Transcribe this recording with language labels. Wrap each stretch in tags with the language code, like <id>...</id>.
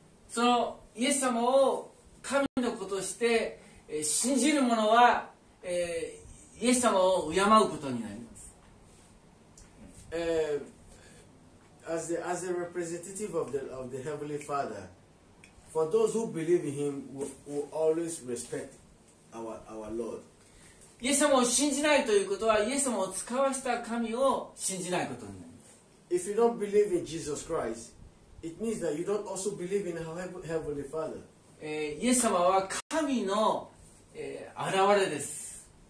<ja>そのイエス様を神の子として信じる者は、イエス様を敬うことになります。</ja> <en>As a representative of the Heavenly Father,For those who believe in Him, will always respect our Lord.</en> <ja>イエス様を信じないということは、イエス様を使わした神を信じないことになります。</ja> <en>If you don't believe in Jesus Christ, it means that you don't also believe in our Heavenly Father.</en> <ja>イエス様は神の、現れです。</ja>